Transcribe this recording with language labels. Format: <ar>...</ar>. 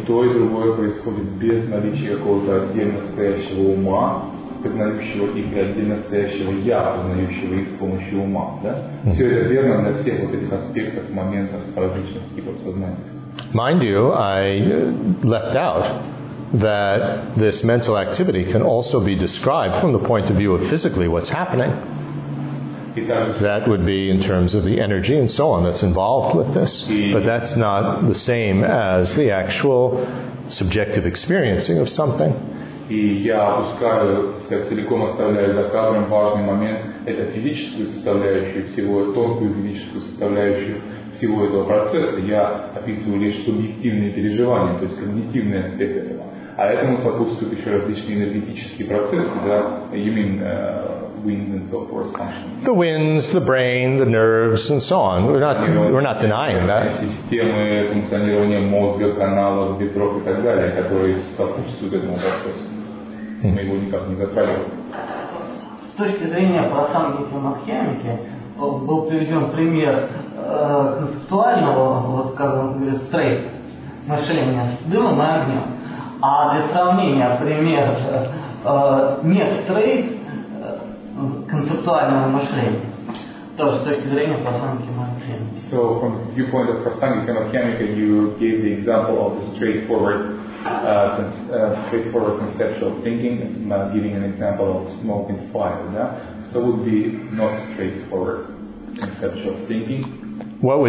<en>Mind you, I left out that this mental activity can also be described from the point of view of physically what's happening. That would be in terms of the energy and so on that's involved with this. But that's not the same as the actual subjective experiencing of something.</en> <ru>И я опускаю, так, целиком оставляю за кадром важный момент, это физическую составляющую всего, тонкую физическую составляющую всего этого процесса. Я описываю лишь субъективные переживания, то есть когнитивный аспект этого. А этому сопутствуют еще различные энергетические процессы, да,</ru> <en>the winds, the brain, the nerves, and so on. We're not denying that.</en> <ru>Системы функционирования мозга, каналов, бедров и так далее, которые сопутствуют этому процессу. Мы его никак не затрагиваем. С точки зрения просанги махьяники был приведен пример концептуального, вот скажем, стрейт мышления с дымом и огнем. А для сравнения пример не стрейт концептуального мышления, тоже с точки зрения просанги махьяники.</ru> <en>So from the viewpoint of prasangika mahayanika, you gave the example of the straightforward conceptual thinking, giving an example of smoke and fire. Да? So would be not straightforward conceptual thinking.</en>